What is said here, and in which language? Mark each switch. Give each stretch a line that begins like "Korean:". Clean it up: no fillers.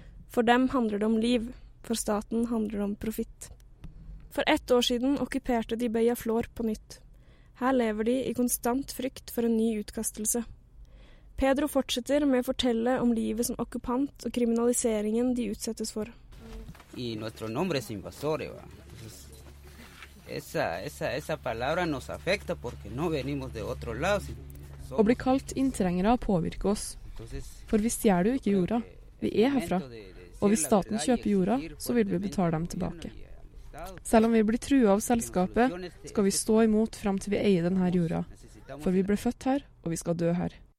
Norwegian: For dem handler det om liv, for staten handler det om profitt. For ett år siden okkuperte de Bay of Flor på nytt. Her lever de i konstant frykt for en ny utkastelse. Pedro fortsetter med å fortelle om livet som okkupant og kriminaliseringen de utsettes for.
Spanish: I nuestro nombre es invasore. Esa palabra nos afecta porque no venimos de otro lado.
Norwegian: Å bli kalt inntrengere påvirker oss. For vi stjeler jo ikke jorda. Vi herfra. Og hvis staten kjøper jorda, så vil vi betale dem tilbake. Selv om vi blir truet av selskapet, skal vi stå imot frem til vi eier denne jorda. For vi ble født her, og vi skal dø her.